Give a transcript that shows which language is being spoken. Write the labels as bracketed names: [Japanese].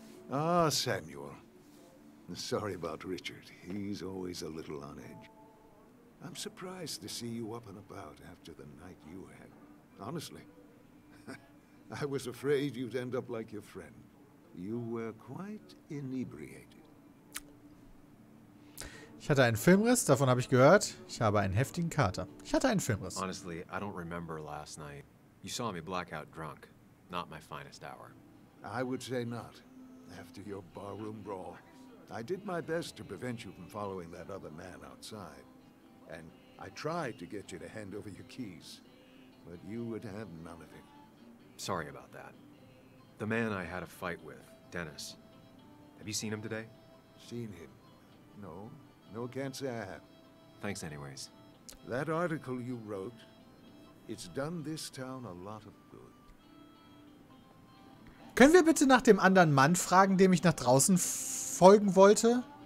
[English] Ah, Samuel. Sorry about Richard. He's always a little on edge. I'm surprised to see you up and about after the night you had. Honestly, I was afraid you'd end up like your friend. You were quite inebriated. [German] Ich hatte einen Filmriss, davon habe ich gehört. Ich habe einen heftigen Kater. Ich hatte einen Filmriss. [English] Honestly, I don't remember last night. You saw me blackout drunk. Not my finest hour. I would say not. After your barroom brawl, I did my best to prevent you from following that other man outside. And I tried to get you to hand over your keys, but you would have none of it. Sorry about that. The man I had a fight with, Dennis. Have you seen him today? Seen him? No. No, can't say I have. Thanks anyways. That article you wrote, it's done this town a lot of good. [German] Können wir bitte nach dem anderen Mann fragen, dem ich nach draußen folgen wollte?